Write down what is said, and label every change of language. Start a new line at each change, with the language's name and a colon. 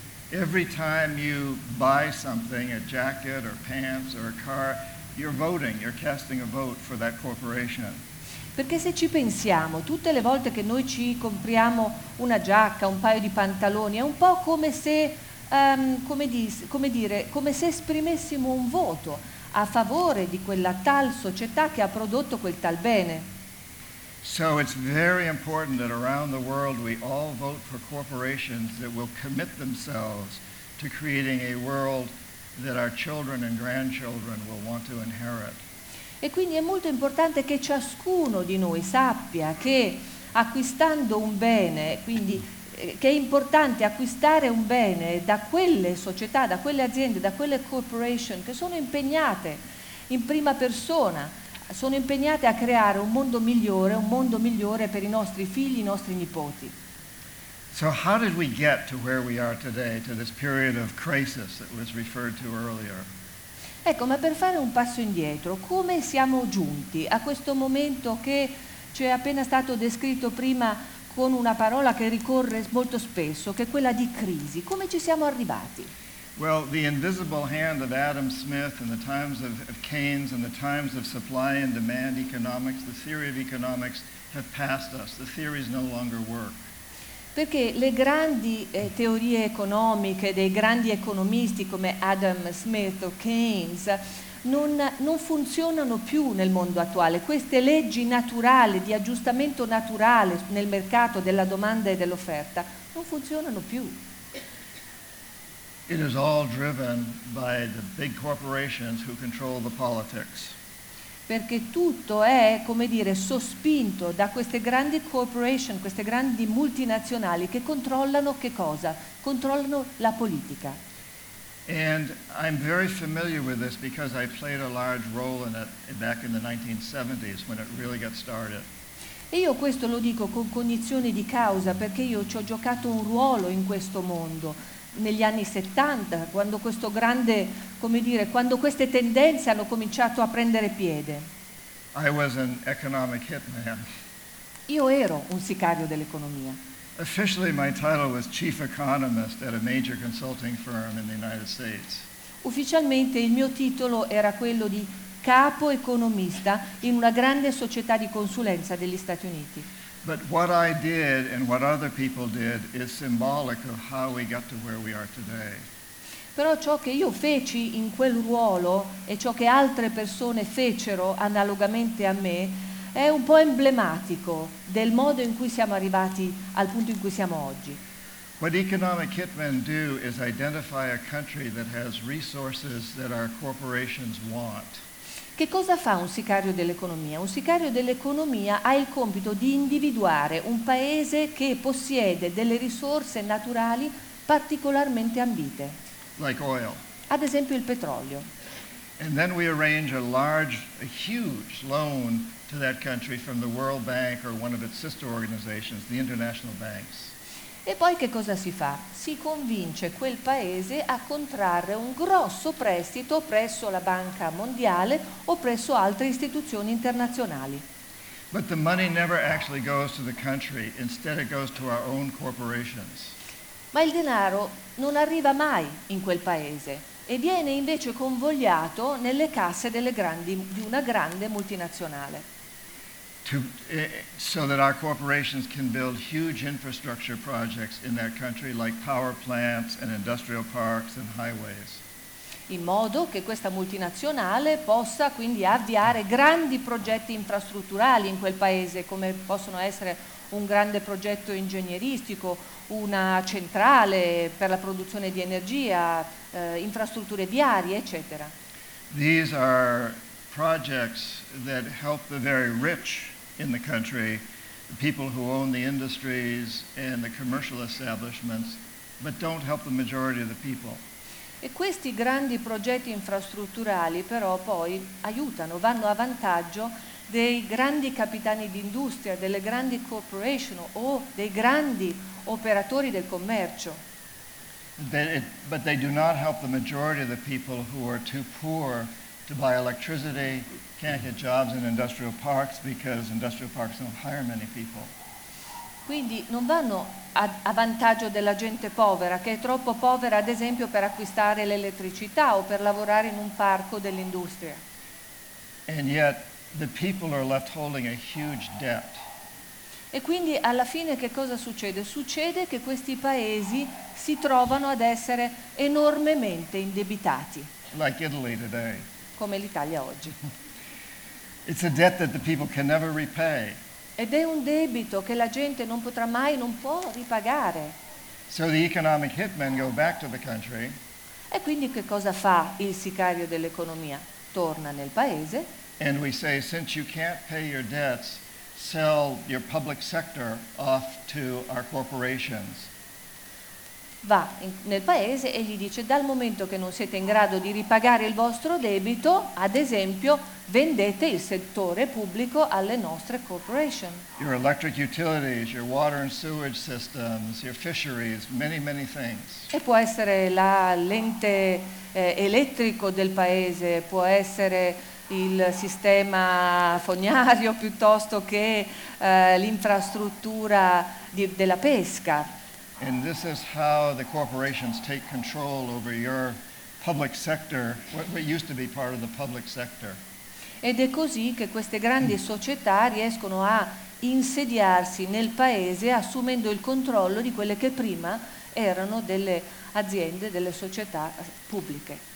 English: Every time you buy something, a jacket or pants or a car, you're voting, you're casting a vote for that corporation.
Italian: Perché se ci pensiamo, tutte le volte che noi ci compriamo una giacca, un paio di pantaloni, è un po' come se come se esprimessimo un voto a favore di quella tal società che ha prodotto quel tal bene.
English: So it's very important that around the world we all vote for corporations that will commit themselves to creating a world that our children and grandchildren will want to inherit.
Italian: E quindi è molto importante che ciascuno di noi sappia che acquistando un bene, quindi che è importante acquistare un bene da quelle società, da quelle aziende, da quelle corporation che sono impegnate in prima persona, sono impegnate a creare un mondo migliore per i nostri figli, i nostri nipoti.
English: So how did we get to where we are today, to this period of crisis that was referred to earlier?
Italian: Ecco, ma per fare un passo indietro, come siamo giunti a questo momento che ci è appena stato descritto prima con una parola che ricorre molto spesso, che è quella di crisi. Come ci siamo arrivati?
English: Well, the invisible hand of Adam Smith and the times of Keynes and the times of supply and demand economics, the theory of economics, have passed us. The theories no longer work.
Italian: Perché le grandi teorie economiche dei grandi economisti come Adam Smith o Keynes non funzionano più nel mondo attuale. Queste leggi naturali di aggiustamento naturale nel mercato della domanda e dell'offerta non funzionano più.
English: It is all driven by the big corporations who control the politics.
Italian: Perché tutto è, come dire, sospinto da queste grandi corporation, queste grandi multinazionali che controllano che cosa? Controllano la politica.
English: And I'm very familiar with this because I played a large role in it back in the 1970s when it really got started.
Italian: E io questo lo dico con cognizione di causa perché io ci ho giocato un ruolo in questo mondo negli anni 70 quando questo grande, come dire, quando queste tendenze hanno cominciato a prendere piede.
English: I was an economic hitman.
Italian: Io ero un sicario dell'economia.
English: Officially, my title was chief economist at a major consulting firm in the United States.
Italian: Ufficialmente, il mio titolo era quello di capo economista in una grande società di consulenza degli Stati Uniti.
English: But what I did and what other people did is symbolic of how we got to where we are today.
Italian: Però ciò che io feci in quel ruolo e ciò che altre persone fecero analogamente a me è un po' emblematico del modo in cui siamo arrivati al punto in cui siamo oggi.
English: What economic hitmen do is identify a country that has resources that our corporations want.
Italian: Che cosa fa un sicario dell'economia? Un sicario dell'economia ha il compito di individuare un paese che possiede delle risorse naturali particolarmente ambite.
English: Like oil.
Italian: Ad esempio il petrolio.
English: And then we arrange a huge loan to that country from the World Bank or one of its sister organizations, the international banks.
Italian: E poi che cosa si fa? Si convince quel paese a contrarre un grosso prestito presso la Banca Mondiale o presso altre istituzioni internazionali.
English: But the money never actually goes to the country, instead it goes to our own corporations.
Italian: Ma il denaro non arriva mai in quel paese e viene invece convogliato nelle casse delle grandi, di una grande multinazionale.
English: So that our corporations can build huge infrastructure projects in that country, like power plants and industrial parks and highways.
Italian: In modo che questa multinazionale possa quindi avviare grandi progetti infrastrutturali in quel paese, come possono essere un grande progetto ingegneristico, una centrale per la produzione di energia, infrastrutture viarie, eccetera.
English: These are projects that help the very rich in the country, the people who own the industries and the commercial establishments, but don't help the majority of the people.
Italian: E questi grandi progetti infrastrutturali però poi aiutano, vanno a vantaggio dei grandi capitani d'industria, delle grandi corporation o dei grandi operatori del commercio.
English: But they do not help the majority of the people who are too poor to buy electricity, can't get jobs in industrial parks because industrial parks don't hire many people.
Italian: Quindi non vanno a vantaggio della gente povera, che è troppo povera, ad esempio, per acquistare l'elettricità o per lavorare in un parco dell'industria.
English: And yet the people are left holding a huge debt.
Italian: E quindi alla fine che cosa succede? Succede che questi paesi si trovano ad essere enormemente indebitati.
English: Like Italy today.
Italian: Come l'Italia oggi.
English: It's a debt that the people can never repay.
Italian: Ed è un debito che la gente non potrà mai, non può ripagare.
English: So the economic hitmen go back to the country.
Italian: E quindi che cosa fa il sicario dell'economia? Torna nel paese.
English: And we say, since you can't pay your debts, sell your public sector off to our corporations.
Italian: Va nel paese e gli dice, dal momento che non siete in grado di ripagare il vostro debito, ad esempio, vendete il settore pubblico alle nostre corporation.
English: Your electric utilities, your water and sewage systems, your fisheries, many, many things.
Italian: E può essere l'ente elettrico del paese, può essere il sistema fognario piuttosto che l'infrastruttura della pesca.
English: And this is how the corporations take control over your public sector, what used to be part of the public sector.
Italian: Ed è così che queste grandi società riescono a insediarsi nel paese assumendo il controllo di quelle che prima erano delle aziende, delle società pubbliche.